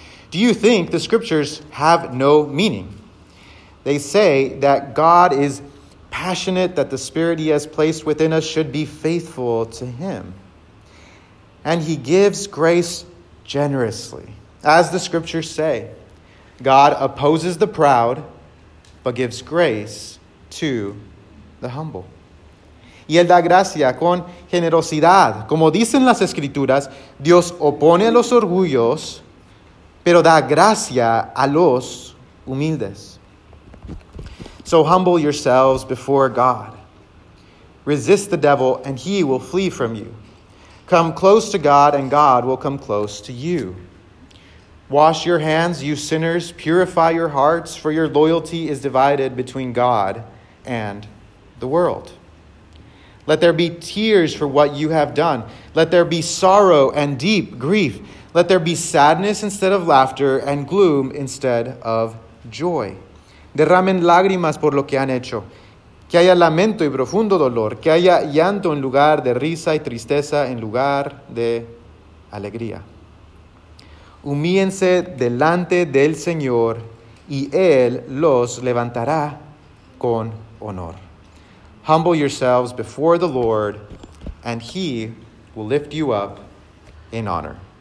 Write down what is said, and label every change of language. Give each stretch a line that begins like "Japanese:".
English: Do you think the scriptures have no meaning? They say that God is passionate that the spirit he has placed within us should be faithful to him. And he gives grace generously. As the scriptures say, God opposes the proud, but gives grace to the humble.
Spanish: Y él da gracia con generosidad. Como dicen las escrituras, Dios opone a los orgullosos, pero da gracia a los humildes.
English: So humble yourselves before God. Resist the devil, and he will flee from you. Come close to God, and God will come close to you. Wash your hands, you sinners. Purify your hearts, for your loyalty is divided between God and the world. Let there be tears for what you have done. Let there be sorrow and deep grief. Let there be sadness instead of laughter and gloom instead of joy.
Spanish: Derramen lágrimas por lo que han hecho. Que haya lamento y profundo dolor. Que haya llanto en lugar de risa y tristeza en lugar de alegría. Humíllense delante del Señor y Él los levantará con honor.
English: Humble yourselves before the Lord and He will lift you up in honor.